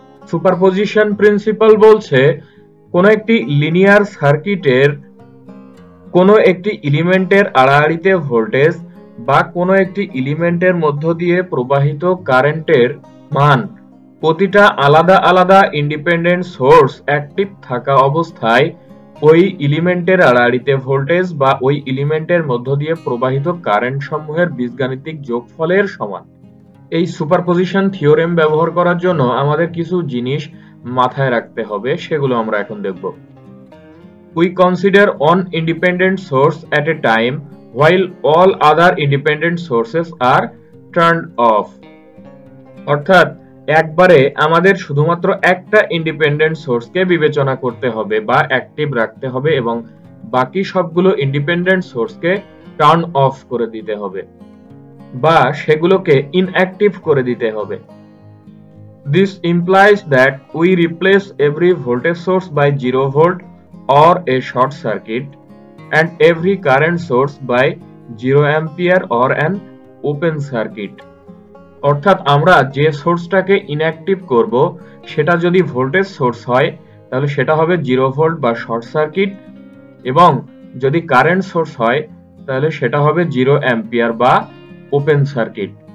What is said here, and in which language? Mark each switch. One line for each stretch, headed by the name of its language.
Bangla: Superposition principal বলছে কোন একটি লিনিয়ার সার্কিটের কোন একটি এলিমেন্টের আড়াআড়িতে ভোল্টেজ বা কোন একটি এলিমেন্টের মধ্য দিয়ে প্রবাহিত কারেন্টের মান প্রতিটা আলাদা আলাদা ইন্ডিপেন্ডেন্ট সোর্স অ্যাক্টিভ থাকা অবস্থায় ওই এলিমেন্টের আড়াআড়িতে ভোল্টেজ বা ওই এলিমেন্টের মধ্য দিয়ে প্রবাহিত কারেন্ট সমূহের বীজগাণিতিক যোগফলের সমান। এই সুপারপোজিশন থিওরেম ব্যবহার করার জন্য আমাদের কিছু জিনিস মাথায় রাখতে হবে, সেগুলো আমরা এখন দেখব।
English: We consider one independent source at a time while all other independent sources are turned off.
Bangla: অর্থাৎ একবারে আমাদের শুধুমাত্র একটা ইন্ডিপেন্ডেন্ট সোর্সকে বিবেচনা করতে হবে বা অ্যাক্টিভ রাখতে হবে এবং বাকি সবগুলো ইন্ডিপেন্ডেন্ট সোর্সকে টার্ন অফ করে দিতে হবে বা সেগুলোকে ইনঅ্যাক্টিভ করে দিতে হবে।
English: This implies that we replace every voltage source by 0 volt or a short circuit and every current source by 0 ampere or an open circuit.
Bangla: অর্থাৎ আমরা যে সোর্সটাকে ইনঅ্যাক্টিভ করব সেটা যদি ভোল্টেজ সোর্স হয় তাহলে সেটা হবে 0 ভোল্ট বা শর্ট সার্কিট, এবং যদি কারেন্ট সোর্স হয় তাহলে সেটা হবে 0 অ্যাম্পিয়ার বা ওপেন সার্কিট।